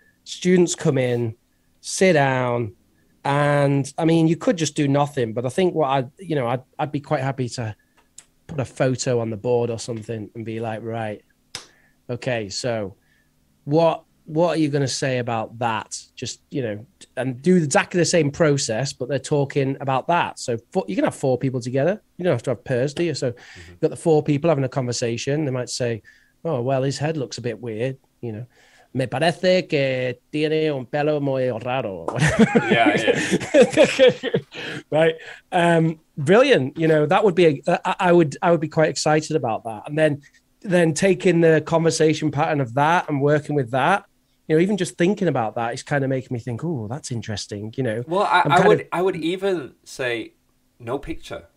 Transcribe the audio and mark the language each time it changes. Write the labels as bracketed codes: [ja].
[en] Students come in, sit down, and I mean, you could just do nothing, but I think what I'd be quite happy to put a photo on the board or something and be like, right, okay, so what are you going to say about that? Just, you know, and do exactly the same process, but they're talking about that. So you can have four people together. You don't have to have pairs, do you? So you've got the four people having a conversation. They might say, oh, well, his head looks a bit weird. You know, [es] me parece que tiene un pelo muy raro. [en] Yeah. Right. Brilliant. You know, that would be, I would be quite excited about that. And then taking the conversation pattern of that and working with that, you know, even just thinking about that is kind of making me think, oh, that's interesting. You know, well, I would even say no picture.